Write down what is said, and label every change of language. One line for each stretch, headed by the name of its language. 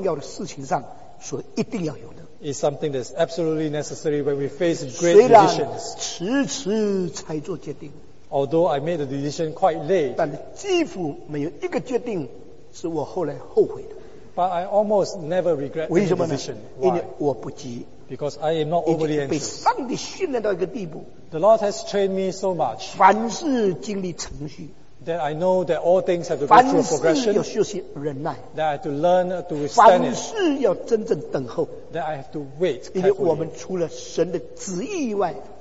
Chinese: 是特别在应付重大重要的事情上所一定要有的,
English: is something that's absolutely necessary when we face great decisions.
Chinese: 迟迟才做决定,
English: although I made the decision quite late,
Chinese: 但几乎没有一个决定是我后来后悔的,
English: but I almost never regret the decision.
Chinese: Why? 因为我不急,
English: because I am not overly anxious.
Chinese: 已经被上帝训练到一个地步,
English: the Lord has trained me so much.
Chinese: 凡事经历程序,
English: that I know that all things have to go through progression,
Chinese: 凡事要学习忍耐,
English: that I have to learn to withstand it,
Chinese: 凡事要真正等候,
English: that I have to wait carefully.
Chinese: 因为我们除了神的旨意以外,